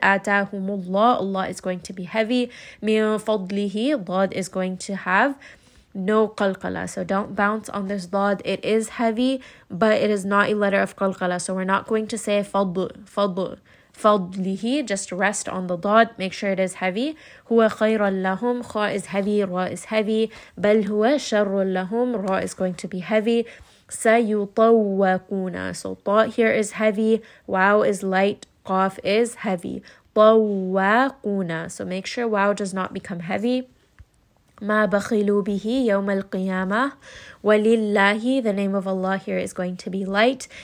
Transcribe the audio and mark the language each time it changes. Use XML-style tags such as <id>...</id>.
<ar>آتَاهُمُ اللَّهُ,</ar> <en>Allah is going to be heavy.</en> <ar>مِنْ فَضْلِهِ,</ar> <en>Dad is going to have no قَلْقَلَ. So don't bounce on this Dad. It is heavy, but it is not a letter of قَلْقَلَ. So we're not going to say فَضْلُ. فَضْلِهِ, just rest on the Dad. Make sure it is heavy.</en> <ar>هُوَ خَيْرًا لَهُمْ, خَا</ar> <en>is heavy,</en> <ar>رَا is heavy. بَلْ هُوَ شَرٌ لَهُمْ,</ar> <en>رَا is going to be heavy. سَيُطَوَّقُونَ, so طَ here is heavy, وَاو is light, قَاف is heavy. طَوَّقُونَ, so make sure وَاو does not become heavy.</en> <ar>مَا بَخِلُوا بِهِ يَوْمَ الْقِيَامَةِ,</ar> <en>وَلِلَّهِ, the name of Allah here is going to be light.</en>